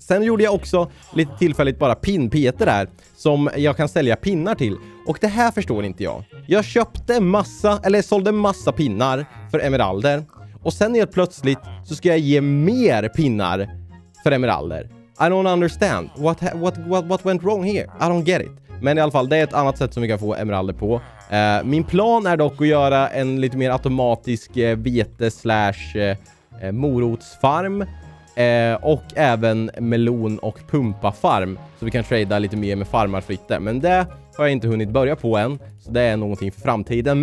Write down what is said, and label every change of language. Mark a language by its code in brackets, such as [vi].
[sv] Sen gjorde jag också lite tillfälligt bara pinn-Peter där. Som jag kan sälja pinnar till. Och det här förstår inte jag. Jag köpte massa, eller sålde massa pinnar för emeralder. Och sen helt plötsligt så ska jag ge mer pinnar för emeralder. [en] I don't understand. What went wrong here? I don't get it. [sv] Men i alla fall, det är ett annat sätt som vi kan få emeralder på. Min plan är dock att göra en lite mer automatisk vete/morotsfarm. Och även melon- och pumpafarm. Så vi kan trada lite mer med farmarfritte. Men det har jag inte hunnit börja på än. Så det är någonting för framtiden.